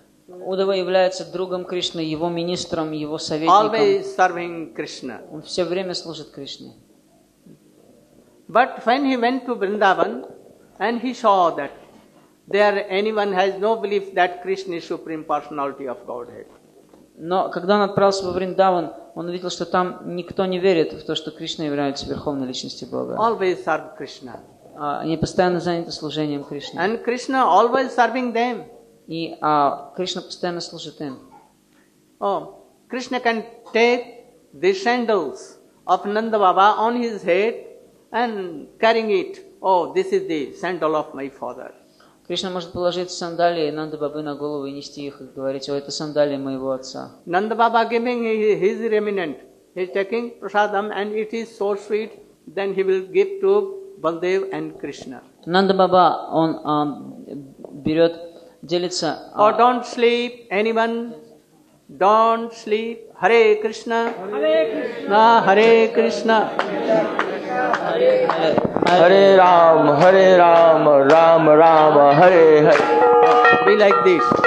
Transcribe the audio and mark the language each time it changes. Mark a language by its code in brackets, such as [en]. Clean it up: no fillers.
[ru] Uddhava является другом Кришны, его министром, его советником. [en] Always serving Krishna. [ru] Он все время служит Кришне. [en] But when he went to Vrindavan and he saw that there anyone has no belief that Krishna is supreme personality of Godhead. [ru] Но когда он отправился во Вриндаван, он увидел, что там никто не верит в то, что Кришна является верховной личностью Бога. [en] Always serve Krishna. [ru] Они постоянно заняты служением Кришне. [en] And Krishna always serving them. [ru] И Кришна постоянно служит им. [en] Krishna can take the sandals of Nanda Baba on his head and carrying it. This is the sandal of my father. [ru] Кришна может положить сандалии Нанда Бабы на голову и нести их и говорить: «О, это сандалии моего отца». [en] Nanda Baba giving his remnant, he is taking prasadam and it is so sweet, then he will give to Baldev and Krishna. [ru] Nanda Baba, он берет, делится. [en] Don't sleep, anyone, don't sleep. [sa] Hare Krishna. Hare Krishna. Hare Krishna. Hare Ram, Hare Ram, Ram Ram, Hare Hare. [en] Be like this.